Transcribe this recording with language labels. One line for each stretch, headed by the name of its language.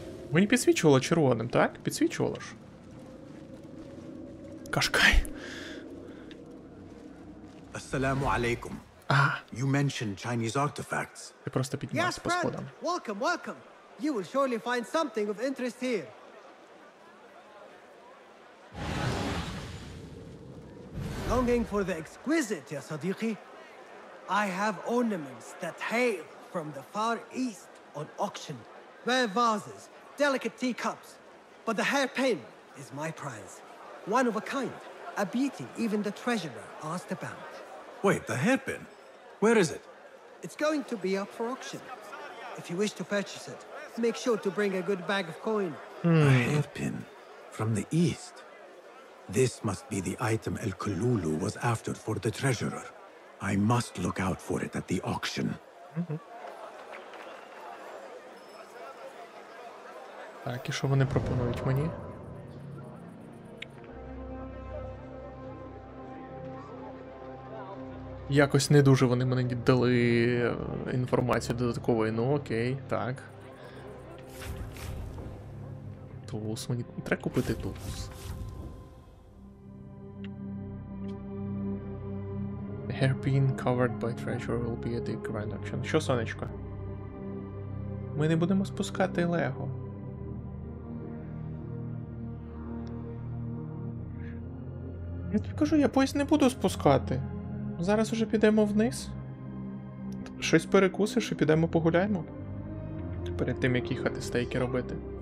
Ukrainian: Мені підсвічувало червоним, так? Підсвічувало ж. Кашкай.
English: Ассаляму алейкум. You mentioned Chinese artifacts.
Ukrainian: Ти просто піднімався по сходам.
English: Welcome, welcome. You will surely find something of interest here. Longing for the exquisite, ya sadiqi. I have ornaments that hail from the far east on auction. Rare vases. Delicate teacups, but the hairpin is my prize. One of a kind, a beauty even the treasurer asked about. Wait, the hairpin? Where is it? It's going to be up for auction. If you wish to purchase it, make sure to bring a good bag of coin. A hairpin from the east. This must be the item El Kululu was after for the treasurer. I must look out for it at the auction. Mm-hmm.
Ukrainian: Так, і що вони пропонують мені? Якось не дуже вони мені дали інформацію додаткової, ну окей, так. Тулус, мені треба купити тулус.
English: Hairpin covered by treasure will be at the grand auction.
Ukrainian: Що, сонечко? Ми не будемо спускати Лего. Я тобі кажу, я поїзд не буду спускати. Зараз уже підемо вниз. Щось перекусиш і підемо погуляємо. Перед тим, як їхати стейки робити.